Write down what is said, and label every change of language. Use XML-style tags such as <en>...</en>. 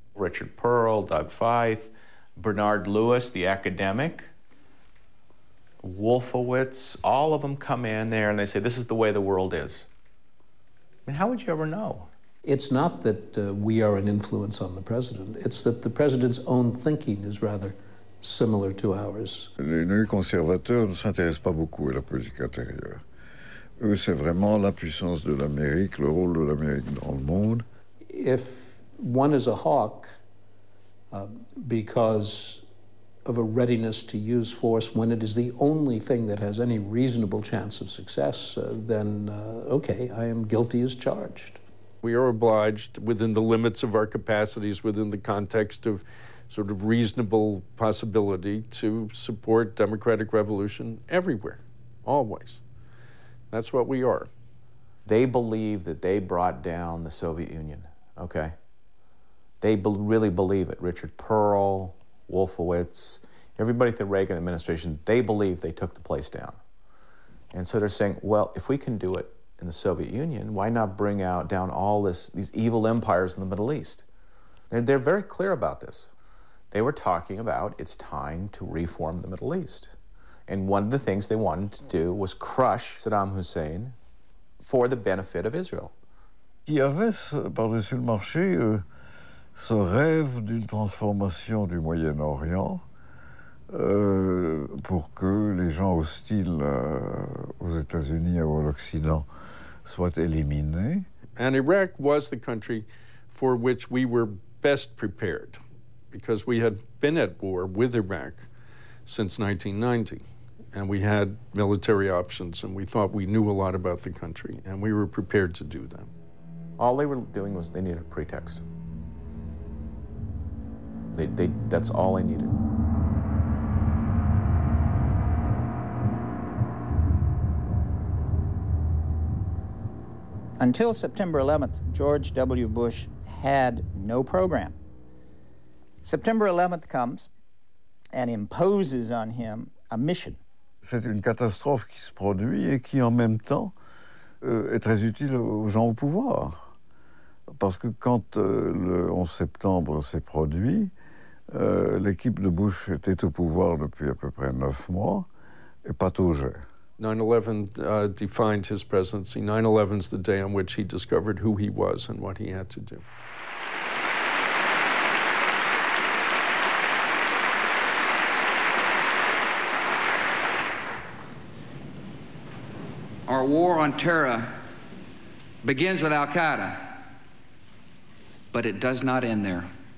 <en>Richard Pearl, Doug Feith, Bernard Lewis, the academic, Wolfowitz, all of them come in there and they say, this is the way the world is. I mean, how would you ever know? It's not that we are an influence on the president. It's that the president's own thinking is rather similar to ours.</en> <fr>Les néo-conservateurs ne s'intéressent pas beaucoup à la politique intérieure. Eux, c'est vraiment la puissance de l'Amérique, le rôle de l'Amérique dans le monde.</fr> <en>If one is a hawk because of a readiness to use force when it is the only thing that has any reasonable chance of success, then, okay, I am guilty as charged. We are obliged, within the limits of our capacities, within the context of sort of reasonable possibility, to support democratic revolution everywhere, always. That's what we are. They believe that they brought down the Soviet Union, okay? They really believe it. Richard Pearl, Wolfowitz, everybody at the Reagan administration, they believe they took the place down. And so they're saying, well, if we can do it in the Soviet Union, why not bring out down all this, these evil empires in the Middle East? They're very clear about this. They were talking about it's time to reform the Middle East. And one of the things they wanted to do was crush Saddam Hussein for the benefit of Israel.</en> <fr>Il y avait par-dessus le marché ce rêve d'une transformation du Moyen-Orient pour que les gens hostiles aux États-Unis ou à l'Occident soient éliminés.</fr> <en>And Iraq was the country for which we were best prepared because we had been at war with Iraq since 1990. And we had military options, and we thought we knew a lot about the country, and we were prepared to do that. All they were doing was they needed a pretext. That's all they needed. Until September 11th, George W. Bush had no program. September 11th comes and imposes on him a mission.</en> <fr>C'est une catastrophe qui se produit et qui, en même temps, est très utile aux gens au pouvoir. Parce que quand le 11 septembre s'est produit, l'équipe de Bush était au pouvoir depuis à peu près 9 mois et pataugeait.</fr> <en>9/11 defined his presidency. 9/11 is the day on which he discovered who he was and what he had to do. Our war on terror begins with Al-Qaeda, but it does not end there.</en>